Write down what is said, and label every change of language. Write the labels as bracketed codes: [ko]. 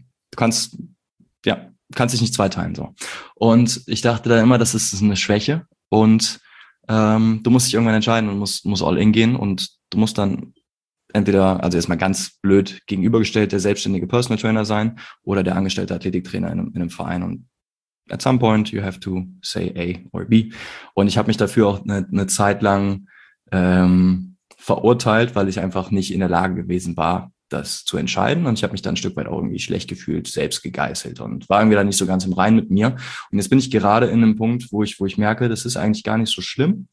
[de] Du kannst dich nicht zweiteilen, so. Und ich dachte dann immer, das ist eine Schwäche und du musst dich irgendwann entscheiden und musst all in gehen und du musst dann entweder, also erstmal ganz blöd gegenübergestellt, der selbstständige Personal Trainer sein oder der angestellte Athletiktrainer in einem Verein. Und [en] at some point you have to say A or B. [de] Und ich habe mich dafür auch eine Zeit lang verurteilt, weil ich einfach nicht in der Lage gewesen war, das zu entscheiden. Und ich habe mich dann ein Stück weit auch irgendwie schlecht gefühlt, selbst gegeißelt und war irgendwie da nicht so ganz im Reinen mit mir. Und jetzt bin ich gerade in einem Punkt, wo ich merke, das ist eigentlich gar nicht so schlimm.